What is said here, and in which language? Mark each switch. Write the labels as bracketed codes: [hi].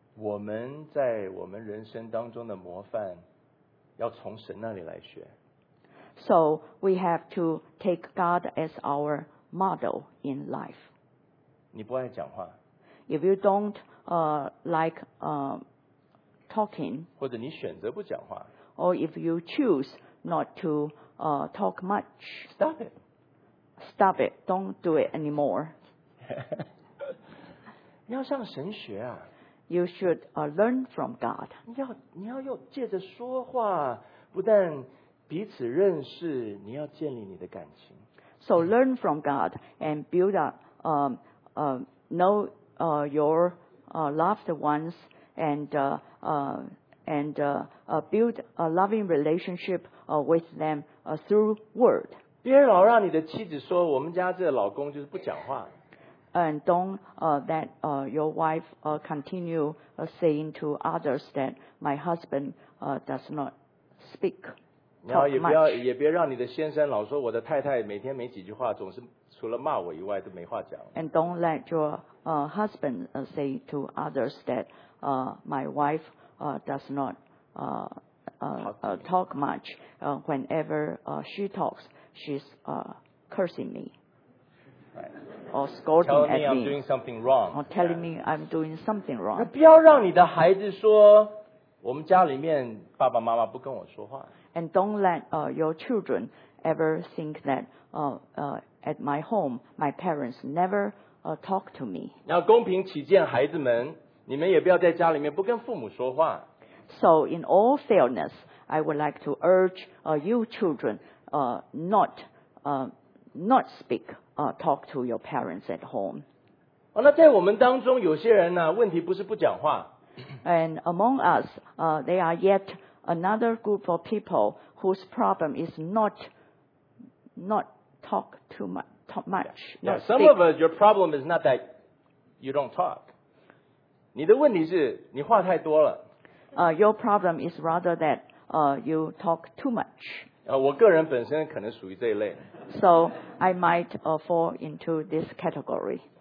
[zh] 我们在我们人生当中的模范要从神那里来学。 [en] So we have to take God as our model in life. [zh] 你不爱讲话。 [en] If you don't like talking. [zh] 或者你选择不讲话。 [en] Or if you choose not to talk much. Stop it. Stop it. Don't do it anymore. [zh] 你要向神学啊。 [en] You should learn from God. [zh] 你要用借着说话，不但彼此认识，你要建立你的感情。 [en] So learn from God and build up, know your loved ones and build a loving relationship with them through word. [zh] 别老让你的妻子说我们家这个老公就是不讲话。 [en] And don't that your wife continue saying to others that my husband does not speak. [zh] 你要也不要让你的先生老说我的太太每天没几句话，总是除了骂我以外都没话讲。 [en] And don't let your husband say to others that my wife does not talk much. Whenever she talks, she's cursing me. Or scolding at me. Telling me I'm doing something wrong. Or telling me I'm doing something wrong. [zh] 不要让你的孩子说我们家里面爸爸妈妈不跟我说话。 [en] And don't let your children ever think that at my home, my parents never talk to me. [zh] 要公平起见，孩子们，你们也不要在家里面不跟父母说话。 [en] So in all fairness, I would like to urge you children not speak. Talk to your parents at home. [zh] 哦，那在我们当中有些人呢，问题不是不讲话。 [en] And among us, there are yet another group of people whose problem is not talk too much. Talk much. Yeah, some of us, your problem is not that you don't talk. [zh] 你的问题是你话太多了。 [en] Your problem is rather that you talk too much. [zh] 我个人本身可能属于这一类。 [en] So I might fall into this category.